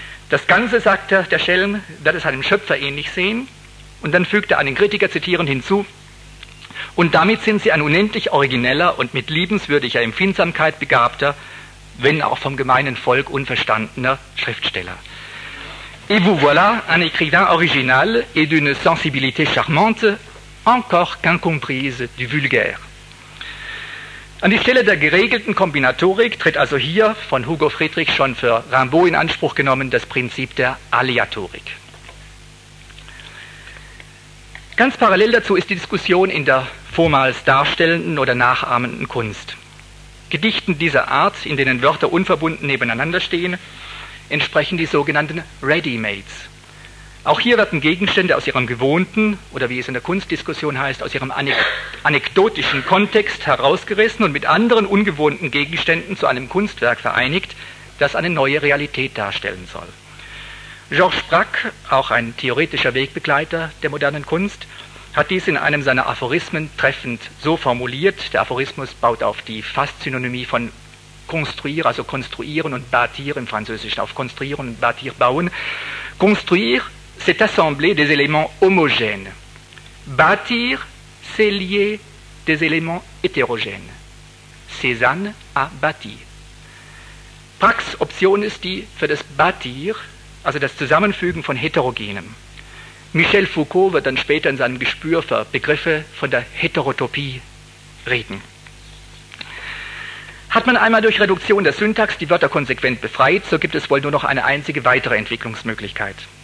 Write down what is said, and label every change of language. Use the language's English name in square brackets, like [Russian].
[German] Das Ganze, sagt der Schelm, wird es einem Schöpfer ähnlich sehen, und dann fügt er einen Kritiker zitierend hinzu: und damit sind sie ein unendlich origineller und mit liebenswürdiger Empfindsamkeit begabter, wenn auch vom gemeinen Volk unverstandener Schriftsteller. [French] Et vous voilà un écrivain original et d'une sensibilité charmante, encore qu'incomprise du vulgaire. [German] An die Stelle der geregelten Kombinatorik tritt also hier, von Hugo Friedrich schon für Rimbaud in Anspruch genommen, das Prinzip der Aleatorik. Ganz parallel dazu ist die Diskussion in der vormals darstellenden oder nachahmenden Kunst. Gedichten dieser Art, in denen Wörter unverbunden nebeneinander stehen, entsprechen die sogenannten Ready-Mades. Auch hier werden Gegenstände aus ihrem gewohnten, oder wie es in der Kunstdiskussion heißt, aus ihrem anekdotischen Kontext herausgerissen und mit anderen ungewohnten Gegenständen zu einem Kunstwerk vereinigt, das eine neue Realität darstellen soll. Georges Braque, auch ein theoretischer Wegbegleiter der modernen Kunst, hat dies in einem seiner Aphorismen treffend so formuliert. Der Aphorismus baut auf die Fast-Synonymie von construire, also konstruieren, und bâtir im Französischen, auf konstruieren und bâtir bauen. [French] Construire, c'est assembler des éléments homogènes. Bâtir, c'est lier des éléments hétérogènes. Cézanne a bâti. [German] Braques Option ist die für das bâtir, also das Zusammenfügen von Heterogenem. Michel Foucault wird dann später in seinem Gespür für Begriffe von der Heterotopie reden. Hat man einmal durch Reduktion der Syntax die Wörter konsequent befreit, so gibt es wohl nur noch eine einzige weitere Entwicklungsmöglichkeit.